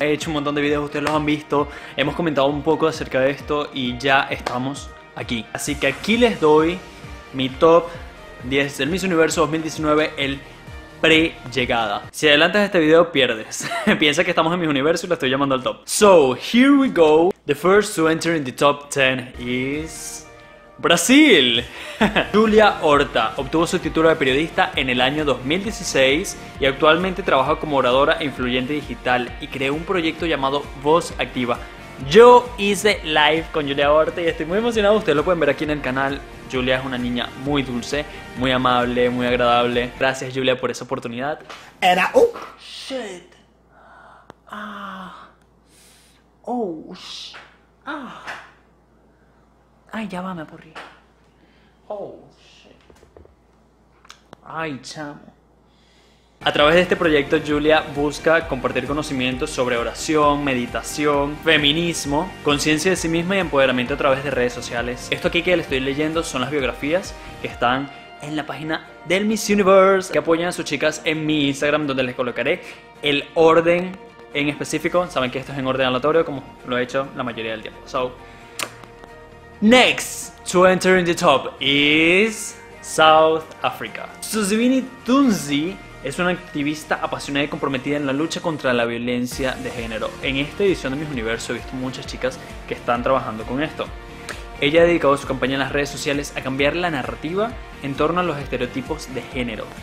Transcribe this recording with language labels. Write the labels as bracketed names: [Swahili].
[Spanish] He hecho un montón de videos, ustedes los han visto. Hemos comentado un poco acerca de esto y ya estamos aquí. Así que aquí les doy mi top 10 del Miss Universo 2019, el pre-llegada. Si adelantas este video, pierdes. Piensa que estamos en mi universo y lo estoy llamando al top. [English] So, here we go. The first to enter in the top 10 is... [Spanish] ¡Brasil! Julia Horta obtuvo su título de periodista en el año 2016 y actualmente trabaja como oradora e influyente digital y creó un proyecto llamado Voz Activa. Yo hice live con Julia Horta y estoy muy emocionado. Ustedes lo pueden ver aquí en el canal. Julia es una niña muy dulce, muy amable, muy agradable. Gracias, Julia, por esa oportunidad. Era... ¡Oh! ¡Shit! ¡Ah! ¡Oh! Sh. ¡Ah! ¡Ay, ya va, me aburrí! ¡Oh! ¡Shit! ¡Ay, chamo! A través de este proyecto, Julia busca compartir conocimientos sobre oración, meditación, feminismo, conciencia de sí misma y empoderamiento a través de redes sociales. Esto aquí que le estoy leyendo son las biografías que están en la página del Miss Universe, que apoyan a sus chicas en mi Instagram, donde les colocaré el orden en específico. Saben que esto es en orden aleatorio, como lo he hecho la mayoría del tiempo. [English] So, next to enter in the top is South Africa. [Spanish] Suzibini Thunzi es una activista apasionada y comprometida en la lucha contra la violencia de género. En esta edición de Miss Universo he visto muchas chicas que están trabajando con esto. Ella ha dedicado su campaña en las redes sociales a cambiar la narrativa en torno a los estereotipos de género.